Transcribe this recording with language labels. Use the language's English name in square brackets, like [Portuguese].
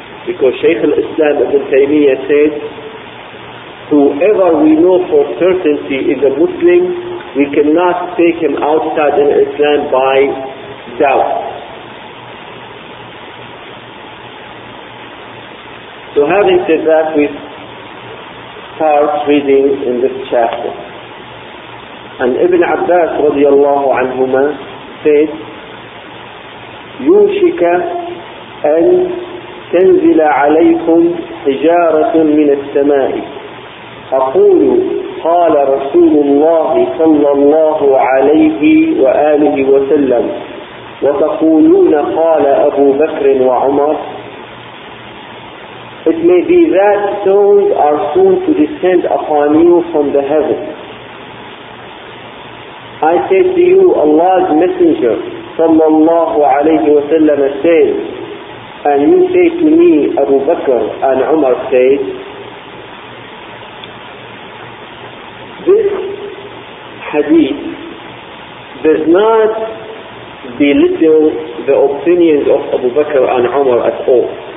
[English] Because Shaykh al-Islam Ibn Taymiyyah said, whoever we know for certainty is a Muslim, we cannot take him outside in Islam by doubt. So having said that, we start reading in this chapter. And Ibn Abbas radiallahu anhuma said, [Arabic] يُوشِكَ أَن تَنْزِلَ عَلَيْكُمْ حِجَارَةٌ مِنَ السَّمَاءِ. أقول قال رسول الله صلى الله عليه وآله وسلم وتقولون قال أبو بكر وعمر. [English] It may be that stones are soon to descend upon you from the heaven. I say to you, Allah's Messenger صلى الله عليه وسلم said, and you say to me, Abu Bakr and Umar said, this hadith does not belittle the opinions of Abu Bakr and Umar at all.